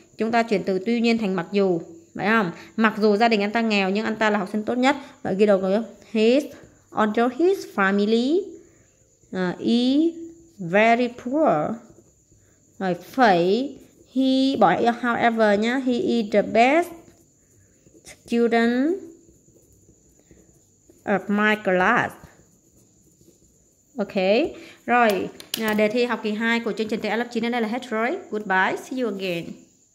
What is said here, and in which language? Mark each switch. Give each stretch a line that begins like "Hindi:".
Vietnamese: Chúng ta chuyển từ tuy nhiên thành mặc dù, phải không? Mặc dù gia đình anh ta nghèo nhưng anh ta là học sinh tốt nhất. Vậy ghi đầu câu nhé.
English: His, although his family is very poor.
Vietnamese: Rồi, phải he, bỏ however nhé.
English: He is the best student of my class. Ok.
Vietnamese: Rồi, đề thi học kỳ 2 của chương trình TL lớp 9 đến đây là hết rồi.
English: Goodbye. See you again.